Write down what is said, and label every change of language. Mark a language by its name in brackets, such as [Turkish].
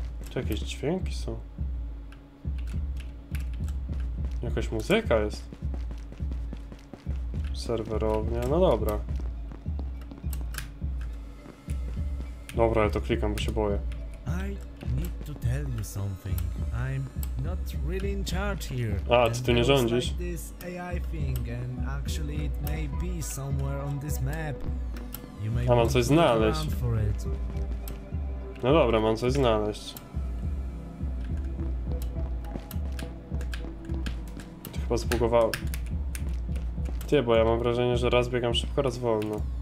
[Polish] Czy jakieś dźwięki są? Jakaś muzyka jest. Serwerownia, no dobra. Dobra, ja to klikam, bo się boję. [English] I need to tell you something. I'm not really in charge here. [Polish] A, ty tu nie rządzisz? [English] Like this AI thing, and actually it may be somewhere on this map. You may [Polish] a, mam coś znaleźć. No dobra, mam coś znaleźć. Ty chyba zbugowałem. Ty, bo ja mam wrażenie, że raz biegam szybko, raz wolno.